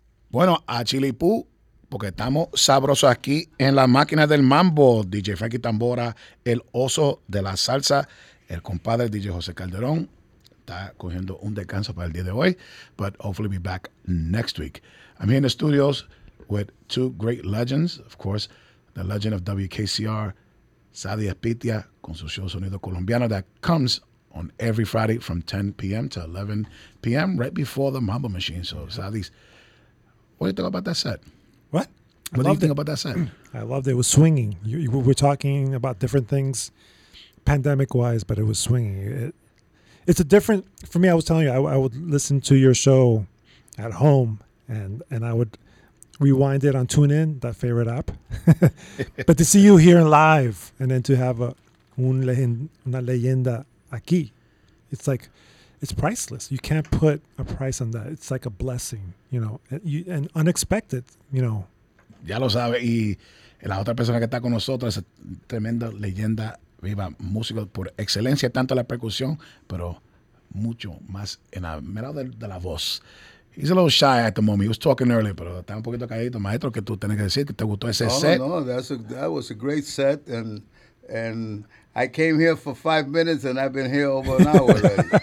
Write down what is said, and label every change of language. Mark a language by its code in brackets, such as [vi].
[es] Bueno, a Chilipú, porque estamos sabrosos aquí en la máquina del mambo. DJ Frankie Tambora, el oso de la salsa. El compadre DJ José Calderón está cogiendo un descanso para el día de hoy. [en] But hopefully be back next week. I'm here in the studios with two great legends. Of course, the legend of WKCR, Sadi Espitia, con su show Sonido Colombiano that comes on every Friday from 10 p.m. to 11 p.m. right before the Mambo Machine. So, yeah. Sadi's. What do you think about that set? What? What do you think about that set? I loved it. It was swinging. We were talking about different things, pandemic-wise, but it was swinging. It's a different, for me, I was telling you, I would listen to your show at home, and I would rewind it on TuneIn, that favorite app. But to see you here live, and then to have [es] una leyenda aquí, [en] it's like, it's priceless. You can't put a price on that. It's like a blessing, you know, and unexpected, you know. [es] Ya lo sabe. Y la otra persona que está con nosotros es tremenda leyenda viva, músico por excelencia, tanto la percusión, pero mucho más en la mera de la voz. [en] He's a little shy at the moment. He was talking early, [es] pero está un poquito calladito. Maestro, que tú tienes que decir que te gustó ese set. [en] No, that was a great set, and And I came here for 5 minutes, and I've been here over an hour already.